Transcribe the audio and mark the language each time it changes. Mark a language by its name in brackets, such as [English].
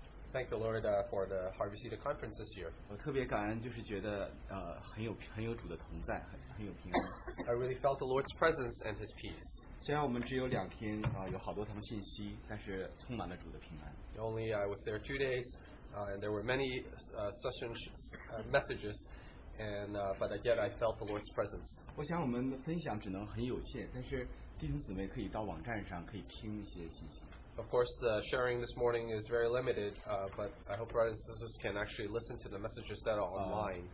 [English] Thank the Lord for the Harvey Cedar conference this year. [Chinese] 我特别感恩，就是觉得很有主的同在，很有平安。 [English] I really felt the Lord's presence and His peace. [Chinese] 虽然我们只有两天，有好多堂信息，但是充满了主的平安。 [English] Only I was there 2 days, and there were many sessions, messages, and but yet I felt the Lord's presence. [Chinese] 我想我们分享只能很有限，但是。弟兄姊妹可以到网站上可以听一些信息。 [English] Of course, the sharing this morning is very limited, but I hope brothers and sisters can actually listen to the messages that are online.